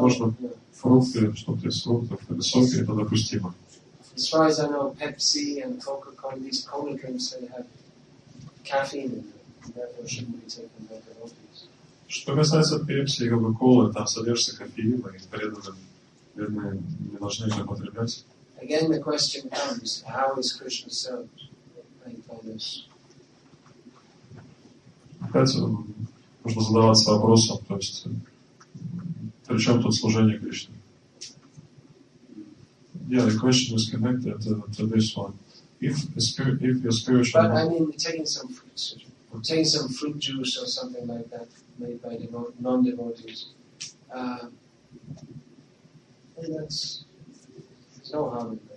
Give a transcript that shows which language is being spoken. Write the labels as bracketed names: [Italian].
[Russian] можно фрукты, что-то из фруктов или соки, это допустимо. [English] As far as I know, Pepsi and Coca-Cola, these cola drinks, they have caffeine in them, therefore shouldn't be taken by the devotees. [Russian] Что касается Pepsi и Coca-Cola, там содержится кофеин, и преданные не должны их употреблять. [English] Again, the question comes, how is Krishna served by this? [Russian] Опять нужно задаваться вопросом, то есть, при чем тут служение Кришне? [English] Yeah, the question is connected to this one. If your spiritual... But, mind, I mean, taking some fruit juice or something like that made by non-devotees, there's no harm in that.